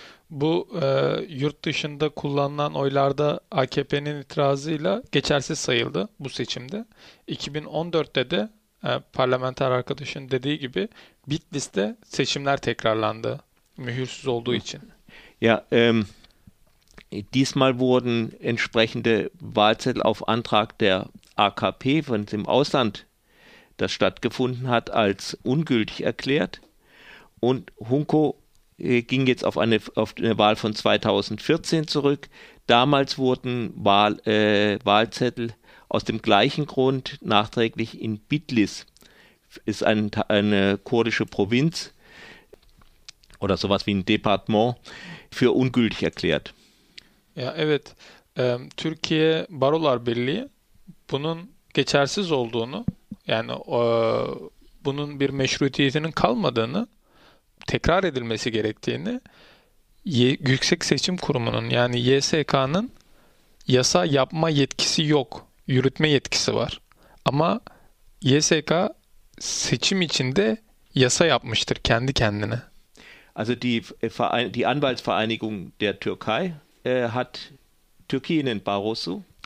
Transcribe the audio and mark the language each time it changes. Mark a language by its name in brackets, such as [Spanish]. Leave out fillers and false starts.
[Turkish] Bu yurt dışında kullanılan oylarda AKP'nin itirazıyla geçersiz sayıldı bu seçimde. 2014'te de parlamenter arkadaşın dediği gibi Bitlis'te seçimler tekrarlandı mühürsüz olduğu için. [German] Ja, diesmal wurden entsprechende Wahlzettel auf Antrag der AKP von dem Ausland, das stattgefunden hat, als ungültig erklärt. Und Hunko ging jetzt auf eine Wahl von 2014 zurück. Damals wurden Wahlzettel aus dem gleichen Grund nachträglich in Bitlis, ist eine kurdische Provinz oder sowas wie ein Departement, für ungültig erklärt. Ja, [Turkish] evet. Türkiye Barolar Birliği bunun geçersiz olduğunu, yani bunun bir meşruiyetinin kalmadığını, tekrar edilmesi gerektiğini Yüksek Seçim Kurumu'nun yani YSK'nın yasa yapma yetkisi yok, yürütme yetkisi var. Ama YSK seçim içinde yasa yapmıştır kendi kendine. [German] Also die Anwaltsvereinigung der Türkei hat [Turkish] Türkiye'nin barosu.